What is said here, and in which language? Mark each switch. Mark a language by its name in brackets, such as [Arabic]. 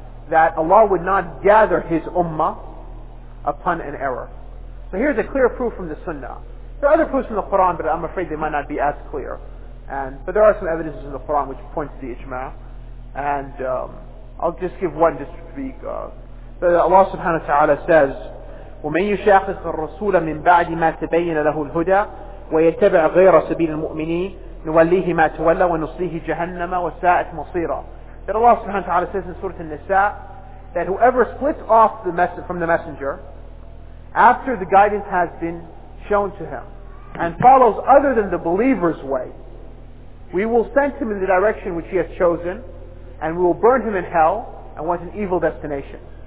[English] That Allah would not gather His ummah upon an error. So here's a clear proof from the Sunnah. There are other proofs from the Quran, but I'm afraid they might not be as clear. But there are some evidences in the Quran which point to the ijma'. I'll just give one just to speak. [Arabic] Allah subhanahu wa ta'ala says, وَمَنْ يُشَاقِقِ الرَّسُولَ مِنْ بَعْدِ مَا تَبَيِّنَ لَهُ الْهُدَى وَيَتَّبِعْ غَيْرَ سَبِيلِ الْمُؤْمِنِينَ نُوَلِّهِ مَا تَوَلَّى وَنُصْلِيهِ جَهَنَّمَ وَسَاءَتْ مَصِيرًا. [English] That Allah subhanahu wa ta'ala says in Surah An-Nisa that whoever splits off from the messenger after the guidance has been shown to him and follows other than the believer's way, we will send him in the direction which he has chosen, and we will burn him in hell, and what an evil destination.